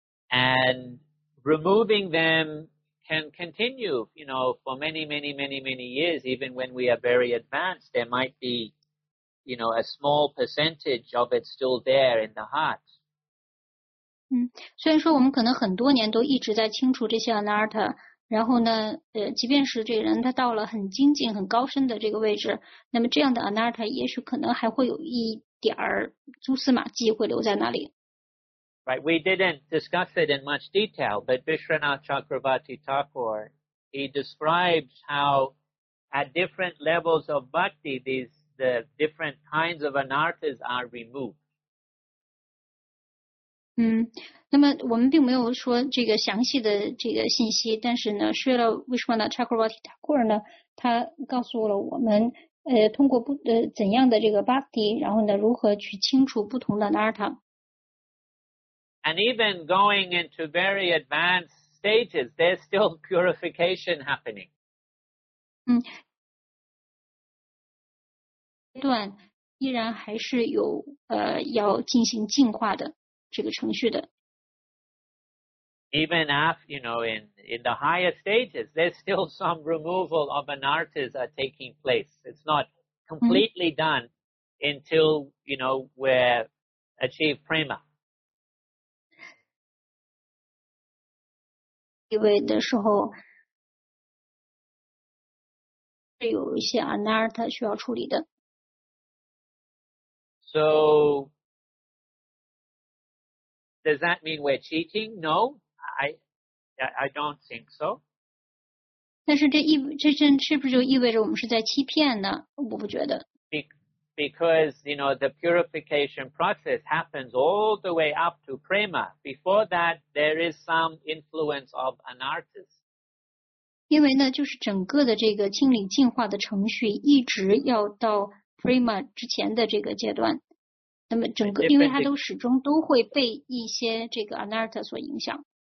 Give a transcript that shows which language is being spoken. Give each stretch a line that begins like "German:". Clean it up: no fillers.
English: And removing them can continue, you know, for many, many, many, many years. Even when we are very advanced, there might be, you know, a small percentage of it still there in the heart.
Chinese: 虽然说我们可能很多年都一直在清除这些 anartha, 然后呢即便是这个人他到了很精进很高深的这个位置，那么这样的 anartha 也许可能还会有一点儿蛛丝马迹会留在那里。
English: Right, we didn't discuss it in much detail, but Vishwanath Chakravarti Thakur, he describes how at different levels of bhakti, the different kinds of anarthas are removed.
Chinese: 那么我们并没有说这个详细的这个信息，但是呢说了为什么呢 Chakravarti Thakur 呢他告诉了我们通过不怎样的这个 bhakti, 然后呢如何去清除不同的 anartha。
English: And even going into very advanced stages, there's still purification happening.
Chinese: 这段依然还是有要进行净化的。这个程序的。
English: Even after, you know, in the higher stages, there's still some removal of anarthas are taking place. It's not completely done until, you know, we achieve prema.
Chinese: 地位的时候是有一些 anartha 需要处理的。
English: So,Does that mean we're cheating? No, I don't think so.
Chinese: 但是这是不是就意味着我们是在欺骗呢？我不觉得。
English: Because, you know, the purification process happens all the way up to prema. Before that, there is some influence of anarthas.
Chinese: 因为呢，就是整个的这个清理净化的程序一直要到 Prima 之前的这个阶段，那么整个因为它都始终都会被一些这个 Anarta 所影响。